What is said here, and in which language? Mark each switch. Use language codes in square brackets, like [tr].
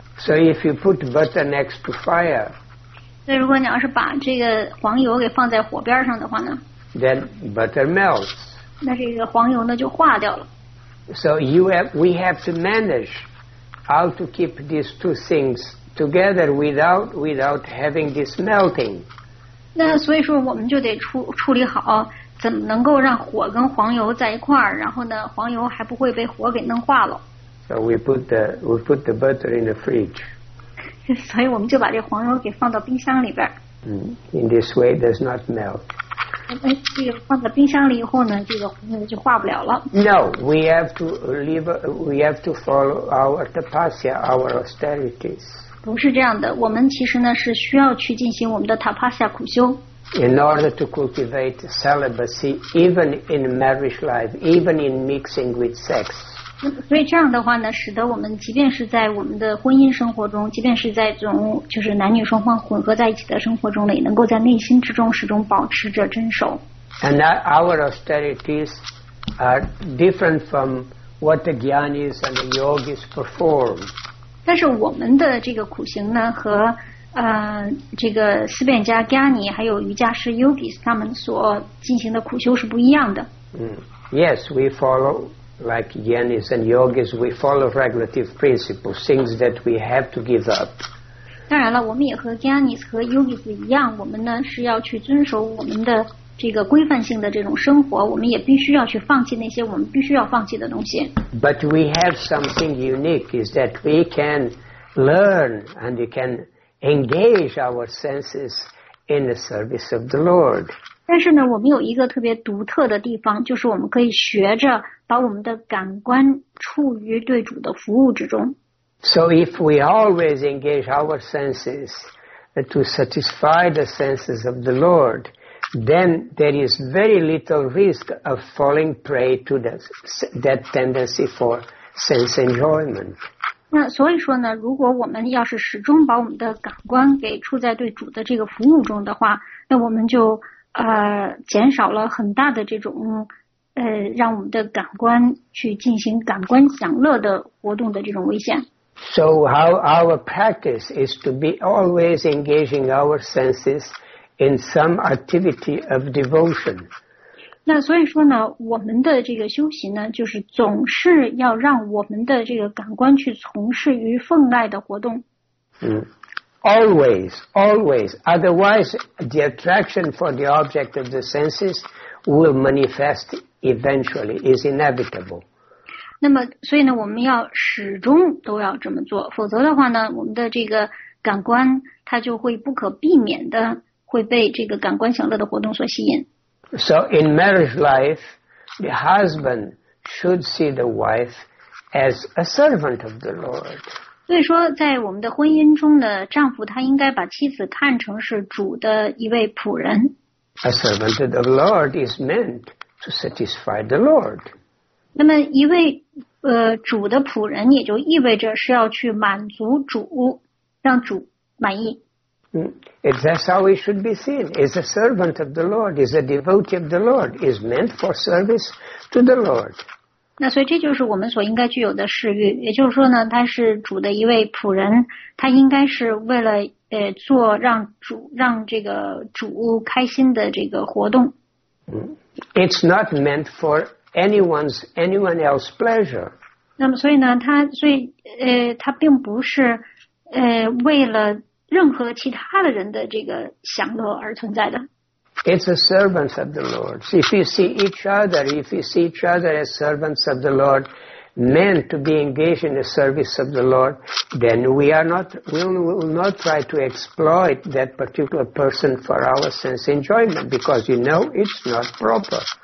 [en] So if you put butter next to fire. [zh] 那如果你要是把这个黄油给放在火边上的话呢？ [en] Then butter melts. [zh] 那这个黄油呢就化掉了。 [en] So we have to manage. How to keep these two things together without having this melting? [zh] 那所以说我们就得处理好，怎么能够让火跟黄油在一块儿，然后呢，黄油还不会被火给弄化了。 [en] So we put the butter in the fridge. [zh] 所以我们就把这黄油给放到冰箱里边。 [en] In this way, it does not melt. [zh] 这个放到冰箱里以后呢，这个黄油就化不了了。 [en] No, we have to follow our tapasya, our austerities. [zh] 不是这样的，我们其实呢是需要去进行我们的 tapasya 苦修。 [en] In order to cultivate celibacy, even in marriage life, even in mixing with sex. [zh] 所以这样的话呢，使得我们即便是在我们的婚姻生活中，即便是在这种就是男女双方混合在一起的生活中呢，也能够在内心之中始终保持着真守。 [en] And our austerities are different from what the jnanis and the yogis perform. [zh] 但是我们的这个苦行呢，和这个思辨家 jnani 还有瑜伽师 yogis 他们所进行的苦修是不一样的。 [en] Yes, we follow. Like jnanis and yogis, we follow regulative principles, things that we have to give up. [zh] 当然了，我们也和 jnanis 和 yogis 一样，我们呢是要去遵守我们的这个规范性的这种生活，我们也必须要去放弃那些我们必须要放弃的东西。 [en] But we have something unique, is that we can learn and we can engage our senses in the service of the Lord. [zh] 但是呢，我们有一个特别独特的地方，就是我们可以学着把我们的感官处于对主的服务之中。 [en] So if we always engage our senses to satisfy the senses of the Lord, then there is very little risk of falling prey to that tendency for sense enjoyment. [zh] 那所以说呢，如果我们要是始终把我们的感官给处在对主的这个服务中的话，那我们就减少了很大的这种让我们的感官去进行感官享乐的活动的这种危险。 [en] So our practice is to be always engaging our senses in some activity of devotion. [zh] 那所以说呢，我们的这个修行呢，就是总是要让我们的这个感官去从事于奉爱的活动。 [en] Always. Otherwise, the attraction for the object of the senses will manifest eventually. Is inevitable. [zh] 那么，所以呢，我们要始终都要这么做，否则的话呢，我们的这个感官它就会不可避免的会被这个感官享乐的活动所吸引。 [en] So in marriage life, the husband should see the wife as a servant of the Lord. [zh] 所以说在我们的婚姻中呢，丈夫他应该把妻子看成是主的一位仆人。 [en] A servant of the Lord is meant to satisfy the Lord. [zh] 那么一位主的仆人也就意味着是要去满足主，让主满意。 [en] That's how it should be seen. Is a servant of the Lord, is a devotee of the Lord, is meant for service to the Lord. [zh] 那所以这就是我们所应该具有的事欲，也就是说呢，他是主的一位仆人，他应该是为了做让这个主开心的这个活动。 [en] It's not meant for anyone else's pleasure. [zh] 那么所以呢，他并不是为了任何其他的人的这个享乐而存在的。 [en] It's a servant of the Lord. If you see each other as servants of the Lord, meant to be engaged in the service of the Lord, then we will not try to exploit that particular person for our sense enjoyment because you know it's not proper.